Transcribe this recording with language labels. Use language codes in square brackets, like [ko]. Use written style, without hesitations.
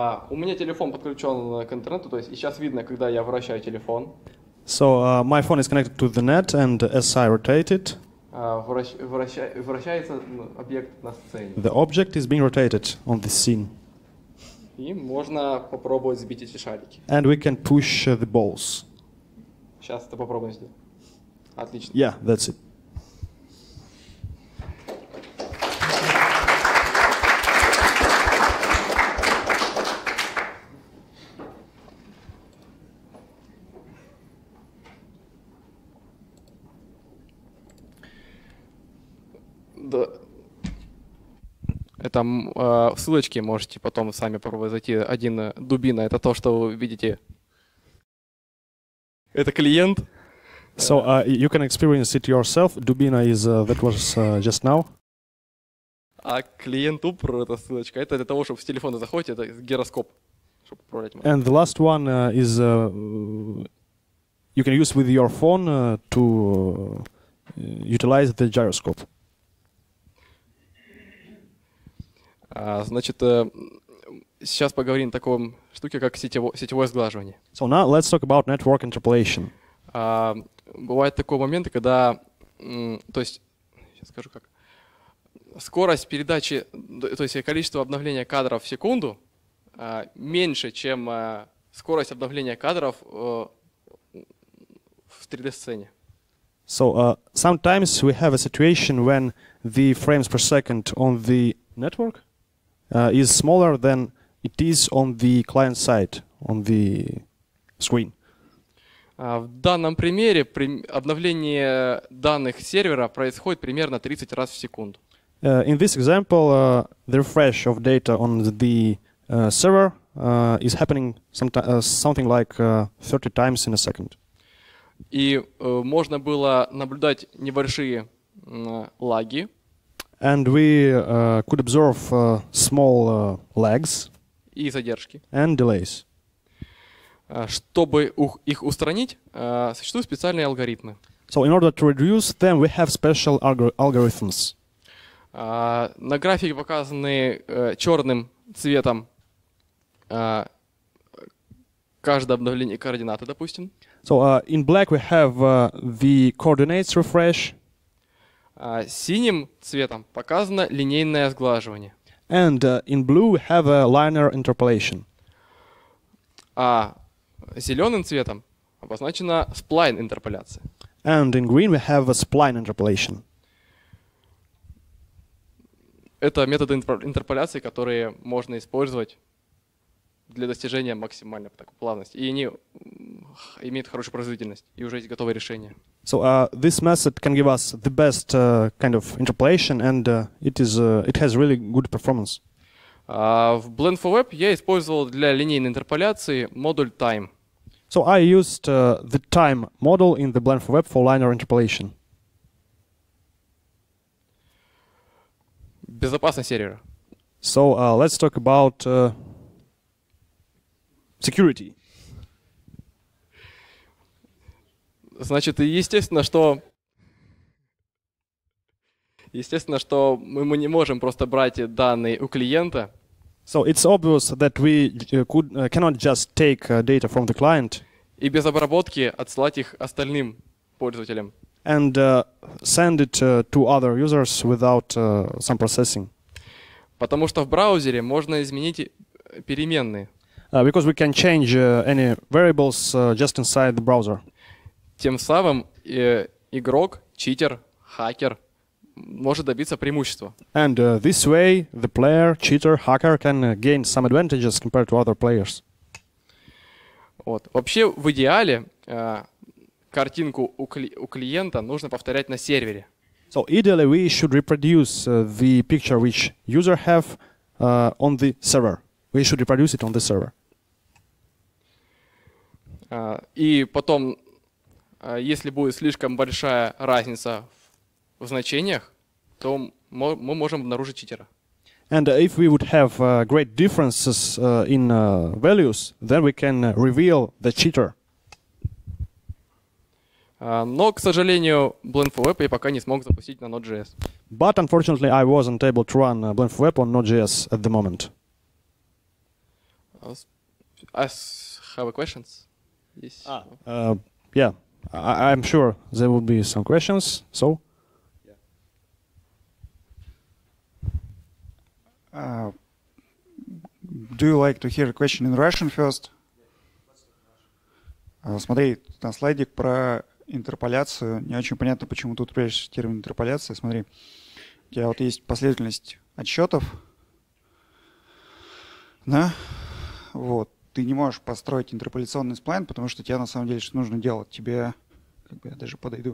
[ru] У меня телефон подключен к интернету, то есть сейчас видно, когда я вращаю телефон. [en] So my phone is connected to the net, and as I rotate it, [ru] вращается объект на сцене. [en] The object is being rotated on the scene. [ru] И можно попробовать сбить эти шарики. [en] And we can push the balls. [ru] Сейчас это попробуем сделать. Отлично. [en] Yeah, that's it. [ru] Да. там ссылочки, можете потом сами попробовать зайти. Один дубина, это то, что вы видите. Это клиент. [en] So you can experience it yourself. Dubina is that was just now. [ru] А клиент упро это ссылочка. Это для того, чтобы с телефона заходить, это гироскоп, чтобы управлять. [en] And the last one is you can use with your phone to utilize the gyroscope. [ru] Значит, сейчас поговорим о такой штуке, как сетевое сглаживание. [en] So now let's talk about network interpolation. [ru] Бывают такие моменты, когда, то есть, сейчас скажу как, скорость передачи, то есть количество обновления кадров в секунду меньше, чем скорость обновления кадров в 3D-сцене. [en] So sometimes we have a situation when the frames per second on the network is smaller than it is on the client side, on the screen. [ru] В данном примере обновление данных сервера происходит примерно 30 раз в секунду. [en] In this example, the refresh of data on the server is happening something like 30 times in a second. [ru] И можно было наблюдать небольшие лаги. [en] And we could observe small lags. [ru] И задержки. [en] And delays. [ru] Чтобы их устранить, существуют специальные алгоритмы. [en] So in order to reduce them, we have special algorithms. [ru] На графике показаны черным цветом каждое обновление координаты, допустим. [en] So in black we have the coordinates refresh. [ru] Синим цветом показано линейное сглаживание. [en] And in blue we have a linear interpolation. [ru] А зеленым цветом обозначена spline интерполяция. [en] And in green we have a spline interpolation. [ru] Это методы интерполяции, которые можно использовать для достижения максимальной такой плавности. И они имеют хорошую производительность, и уже есть готовое решение. [en] So this method can give us the best kind of interpolation, and it has really good performance. [ru] В Blend4Web я использовал для линейной интерполяции модуль Time. [en] So I used the Time model in the Blend4Web for linear interpolation. [ru] Безопасность сервера. [en] So let's talk about security. [ru] Значит, естественно, что мы не можем просто брать данные у клиента. [en] So it's obvious that we cannot just take data from the client. [ru] И без обработки отсылать их остальным пользователям. [en] And send it to other users without some processing. [ru] Потому что в браузере можно изменить переменные. [en] Because we can change any variables just inside the browser. [ru] Тем самым игрок, читер, хакер может добиться преимущества. [en] And this way the player, cheater, hacker can gain some advantages compared to other players. [ru] Вот. Вообще в идеале картинку у клиента нужно повторять на сервере. [en] So ideally we should reproduce the picture which user have on the server. We should reproduce it on the server. [ru] И потом, если будет слишком большая разница в значениях, то мы можем обнаружить читера. [en] And if we would have great differences in values, then we can reveal the cheater. [ru] Но, к сожалению, Blend4Web я пока не смог запустить на Node.js. [en] But unfortunately, I wasn't able to run Blend4Web on Node.js at the moment. I have questions. Yes. I'm sure there will be some questions. So. Do you like to hear a question in Russian first? [ru] Смотри, на слайдик про интерполяцию. Не очень понятно, почему тут прячешь термин интерполяция. Смотри, у тебя вот есть последовательность отсчетов. Да? Вот. Ты не можешь построить интерполяционный сплайн, потому что тебе на самом деле что нужно делать? Тебе как бы я даже подойду.